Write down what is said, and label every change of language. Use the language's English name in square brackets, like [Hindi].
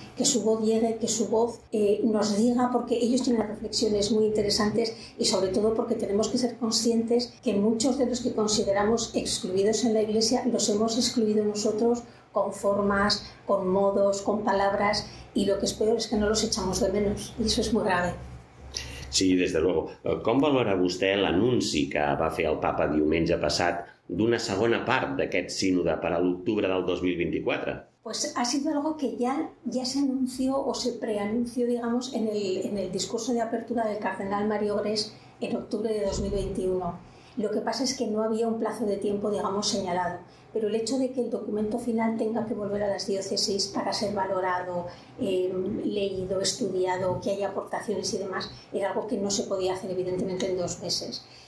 [Spanish] Que su voz llegue, que su voz nos diga, porque ellos tienen reflexiones muy interesantes y sobre todo porque tenemos que ser conscientes que muchos de los que consideramos excluidos en la Iglesia los hemos excluido nosotros con formas, con modos, con palabras, y lo que es peor es que no los echamos de menos, y eso es muy grave. Sí, des de luego. [Catalan] Com valora vostè l'anunci que va fer el Papa diumenge passat d'una segona part d'aquest sínode per a l'octubre del 2024? [Spanish] Pues ha sido algo que ya se anunció o se preanunció, digamos, en el discurso de apertura del cardenal Mario Gres en octubre de 2021. Lo que pasa es que no había un plazo de tiempo, digamos, señalado. Pero el hecho de que el documento final tenga que volver a las diócesis para ser valorado, leído, estudiado, que haya aportaciones y demás, era algo que no se podía hacer, evidentemente, en dos meses.